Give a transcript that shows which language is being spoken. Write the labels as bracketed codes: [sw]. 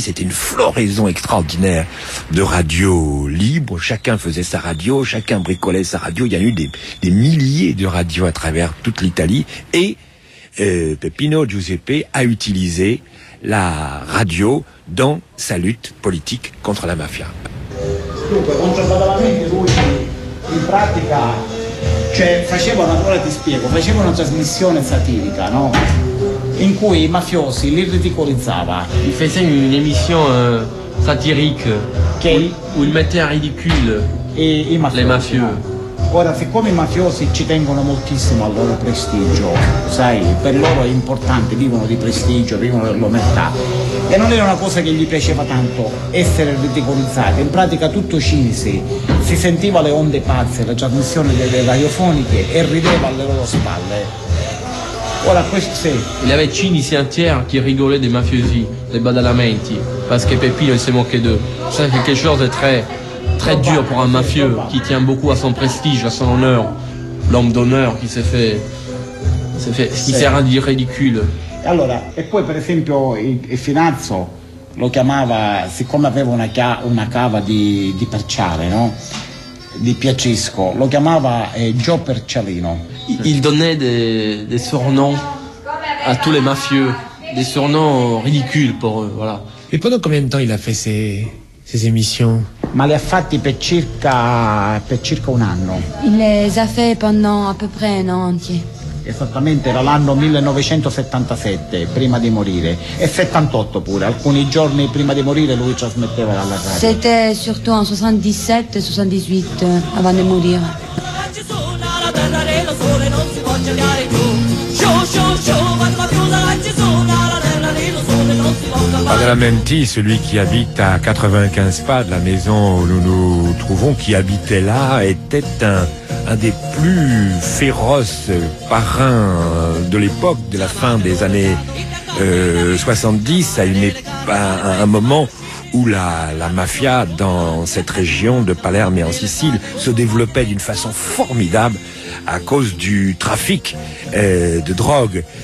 [fr] C'était une floraison extraordinaire de radio libre. Chacun faisait sa radio, chacun bricolait sa radio. Il y a eu des milliers de radios à travers toute l'Italie, et Peppino Giuseppe a utilisé la radio dans sa lutte politique contre la mafia. [it] Dunque, contemporaneamente lui in pratica, cioè faceva una, ora ti spiego, faceva una trasmissione satirica, no? In cui i mafiosi li ridicolizzava. [fr] Il faisait une émission satirique où il mettait en ridicule les mafieux. [it] Ora, siccome i mafiosi ci tengono moltissimo al loro prestigio, sai, per loro è importante, vivono di prestigio, vivono dell'omertà, e non era una cosa che gli piaceva tanto essere ridicolizzati. In pratica tutto cinese si sentiva le onde pazze, la trasmissione delle radiofoniche, e rideva alle loro spalle. Ora, questo sì. [fr] Il y avait cinesi entier qui rigolait des mafiosi, [it] dei badalamenti, [fr] parce que Peppino s'est moqué d'eux. C'est quelque chose de très... très dur pour un mafieux qui tient beaucoup à son prestige, à son honneur, l'homme d'honneur qui s'est fait qui s'est rendu ridicule. [it] Et allora, e poi per esempio il Finazzo lo chiamava, siccome aveva una cava di perciare, no? Di Piacisco, lo chiamava Gio Percialino. [fr] Il donnait des surnoms à tous les mafieux, des surnoms ridicules pour eux, voilà. Et pendant combien de temps il a fait ces émissions? [it] Ma li ha fatti per circa un anno. [fr] Il les a fait pendant à peu près un an entier. [it] Esattamente, era l'anno 1977, prima di morire. E 78 pure, alcuni giorni prima di morire lui trasmetteva dalla radio. [fr] C'était surtout en 77-78 avant de mourir. Badalamenti, celui qui habite à 95 pas de la maison où nous nous trouvons, qui habitait là, était un des plus féroces parrains de l'époque, de la fin des années 70, à un moment où la mafia dans cette région de Palerme et en Sicile se développait d'une façon formidable à cause du trafic de drogue.